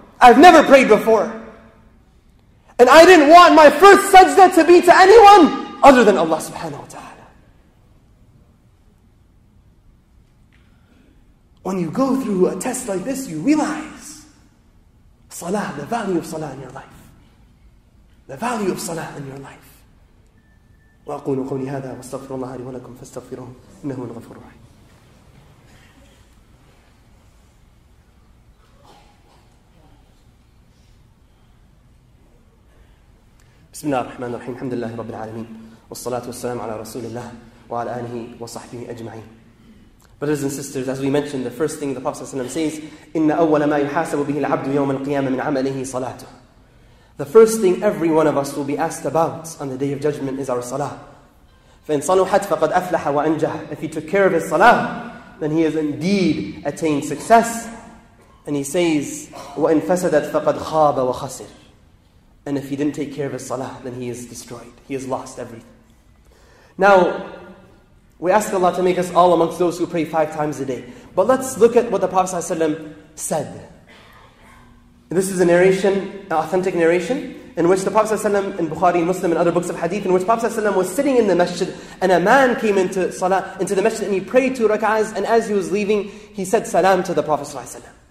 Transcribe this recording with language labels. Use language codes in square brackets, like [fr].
[en] I've never prayed before. And I didn't want my first sajda to be to anyone other than Allah subhanahu wa ta'ala. When you go through a test like this, you realize salah, the value of salah in your life. The value of salah in your life. [ar] وأقول قولي هذا واستغفر الله لي ولكم فاستغفروه إنه هو الغفور الرحيم. بسم الله الرحمن الرحيم. الحمد لله رب العالمين والصلاة والسلام على رسول الله وعلى آله وصحبه أجمعين. [en] Brothers and sisters, as we mentioned, the first thing the Prophet ﷺ says, [ar] إِنَّ أَوَّلَ مَا يُحَاسَبُ بِهِ الْعَبْدُ يَوْمَ الْقِيَامَةِ مِنْ عَمَلِهِ صَلَاتُهُ. [en] The first thing every one of us will be asked about on the Day of Judgment is our salah. [ar] فَإِنْ صَلُحَتْ فَقَدْ أَفْلَحَ وَأَنْجَحَ. [en] If he took care of his salah, then he has indeed attained success. And he says, [ar] وَإِنْ فَسَدَتْ فَقَدْ خَابَ وَخَسِرَ. [en] And if he didn't take care of his salah, then he is destroyed. He has lost everything. Now, we ask Allah to make us all amongst those who pray 5 times a day. But let's look at what the Prophet ﷺ said. This is a narration, an authentic narration, in which the Prophet ﷺ in Bukhari, Muslim, and other books of hadith, in which Prophet ﷺ was sitting in the masjid, and a man came into salah, into the masjid, and he prayed two rak'ahs, and as he was leaving, he said salam to the Prophet ﷺ.